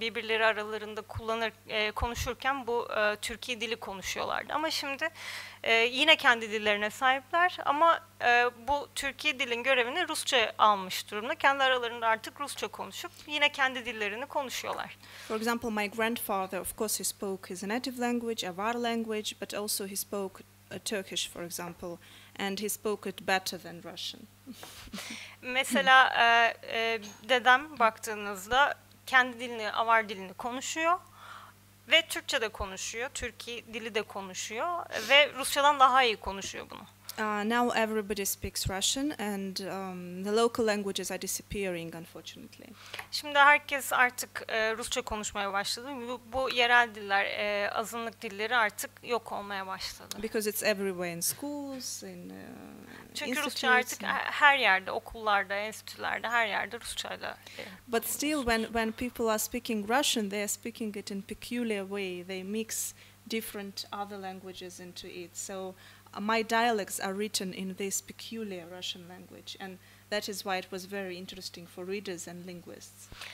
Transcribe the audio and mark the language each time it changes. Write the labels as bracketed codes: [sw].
[tr] Birbirleri aralarında konuşurken bu Türkiye dili konuşuyorlardı. Ama şimdi yine kendi dillerine sahipler ama bu Türkiye dilin görevini Rusça almış durumda. Kendi aralarında artık Rusça konuşup yine kendi dillerini konuşuyorlar. [en] For example, my grandfather, of course, he spoke his native language, Avar language, but also he spoke Turkish, for example, and he spoke it better than Russian. [tr] Mesela dedem baktığınızda kendi dilini, Avar dilini konuşuyor ve Türkçe de konuşuyor, Türkiye dili de konuşuyor ve Rusçadan daha iyi konuşuyor bunu. [en] Now everybody speaks Russian and the local languages are disappearing, unfortunately. [tr] Şimdi herkes artık Rusça konuşmaya başladı. Bu yerel diller, azınlık dilleri artık yok olmaya başladı. [en] Because it's everywhere in schools, in [tr] Çünkü Rusça artık her yerde, okullarda, enstitülerde, her yerde Rusçayla. [en] But still, when people are speaking Russian, they are speaking it in peculiar way. They mix different other languages into it. So my dialects are written in this peculiar Russian language, and that is why it was very interesting for readers and linguists.